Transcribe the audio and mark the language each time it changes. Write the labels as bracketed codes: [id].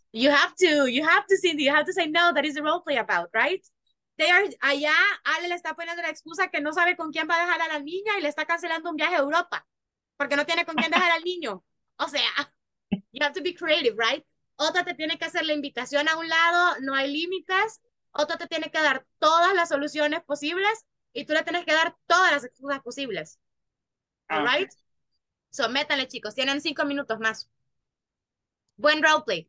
[en] You have to, Cindy, you have to say no, that is the role play about, right? They are, [es] allá, Ale le está poniendo la excusa que no sabe con quién va a dejar a la niña y le está cancelando un viaje a Europa, porque no tiene con quién dejar al niño. O sea, [en] you have to be creative, right? [es] Otra te tiene que hacer la invitación a un lado, no hay límites. Otra te tiene que dar todas las soluciones posibles y tú le tienes que dar todas las excusas posibles. [en] All right? Okay. So, [es] métanle, chicos. Tienen 5 minutos más. Buen roleplay.